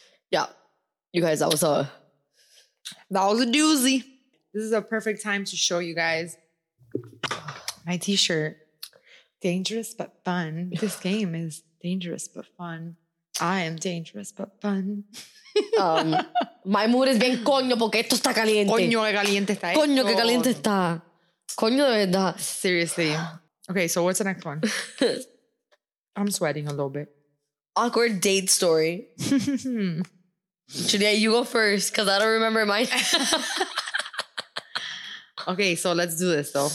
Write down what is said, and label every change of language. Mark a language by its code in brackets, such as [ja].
[en] Yeah, you guys, that was a doozy. This is a perfect time to show you guys my T-shirt. Dangerous but fun. This game is dangerous but fun. I am dangerous but fun. My mood is [es] bien coño porque esto está caliente. Coño que caliente está. Esto. Coño que caliente está. Coño de verdad. [en] Seriously. Okay, so what's the next one? I'm sweating a little bit. Awkward date story. Juliette, you go first because I don't remember mine. Okay, so let's do this though.